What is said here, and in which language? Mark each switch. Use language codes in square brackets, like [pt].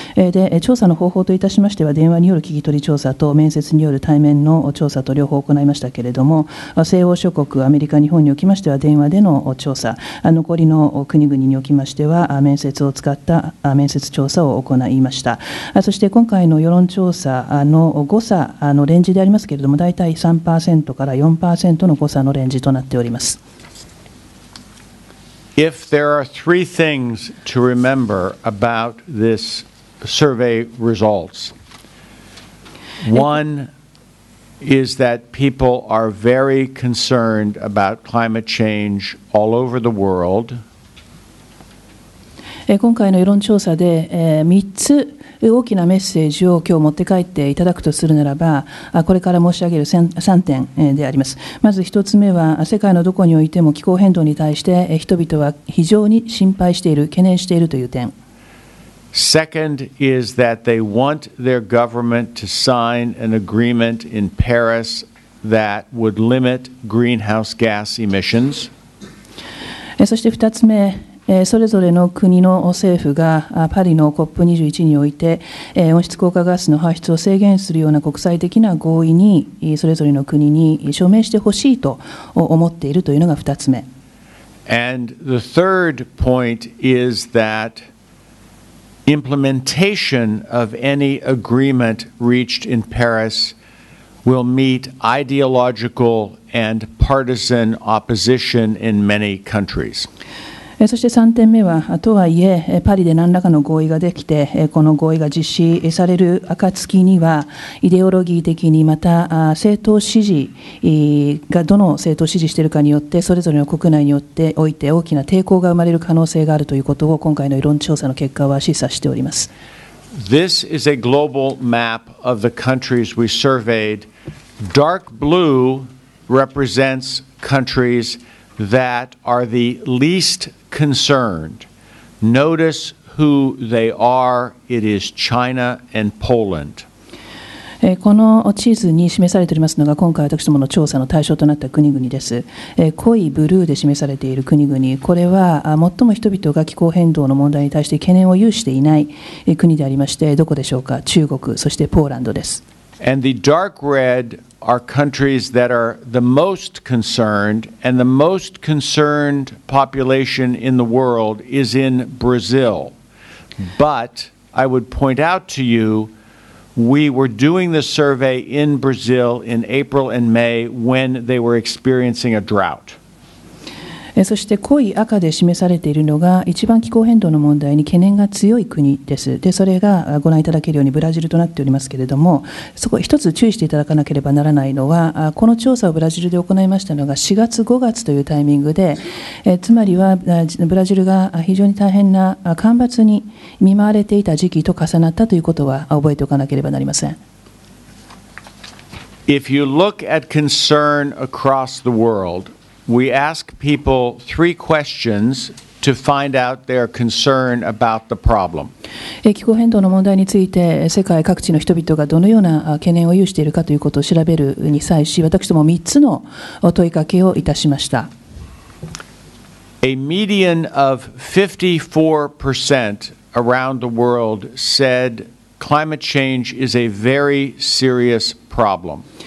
[ja] で、調査の方法といたしましては、電話による聞き取り調査と面接による対面の調査と両方行いましたけれども、西欧諸国、アメリカ、日本におきましてでは電話での調査、残りの国々におきましては面接を使った面接調査を行いました。そして今回の世論調査の誤差のレンジでありますけれども、だいたい 3% から 4% の誤差のレンジとなっております。 [en] If there are three things to remember about this survey results, one, is that people are very concerned about climate change all over the world. [ja] 今回の世論調査で、3つ大きなメッセージを今日持って帰っていただくとするならば、これから申し上げる3点であります。まず1つ目は、世界のどこにおいても気候変動に対して人々は非常に心配している、懸念しているという点。 [en] Second is that they want their government to sign an agreement in Paris that would limit greenhouse gas emissions. [ja] そして2つ目、それぞれの国の政府がパリの COP21 において温室効果ガスの排出を制限するような国際的な合意にそれぞれの国に署名してほしいと思っているというのが2つ目。 [en] And the third point is that implementation of any agreement reached in Paris will meet ideological and partisan opposition in many countries. [ja] そして3点目は、とはいえパリで何らかの合意ができて、この合意が実施される暁にはイデオロギー的にまた政党支持がどの政党を支持しているかによってそれぞれの国内によっておいて大きな抵抗が生まれる可能性があるということを今回の世論調査の結果は示唆しております。 [en] This is a global map of the countries we surveyed. Dark blue represents countries that are the leastconcerned. Notice who they are. It is China and Poland. [ja] この地図に示されておりますのが今回私どもの調査の対象となった国々です。濃いブルーで示されている国々、これは最も人々が気候変動の問題に対して懸念を有していない国でありまして、どこでしょうか？中国、そしてポーランドです。 [en] And the dark red are countries that are the most concerned, and the most concerned population in the world is in Brazil. But I would point out to you, we were doing the survey in Brazil in April and May when they were experiencing a drought. [ja] そして濃い赤で示されているのが一番気候変動の問題に懸念が強い国です。でそれがご覧いただけるようにブラジルとなっておりますけれども、そこ一つ注意していただかなければならないのは、この調査をブラジルで行いましたのが4月5月というタイミングで、つまりはブラジルが非常に大変な干ばつに見舞われていた時期と重なったということは覚えておかなければなりません。 [en] If you look at concern across the worldWe ask people three questions to find out their concern about the problem. [ja] 気候変動の問題について、世界各地の人々がどのような懸念を有しているかということを調べるに際し、私ども3つの問いかけをいたしました。 [en] A median of 54% around the world said climate change is a very serious problem.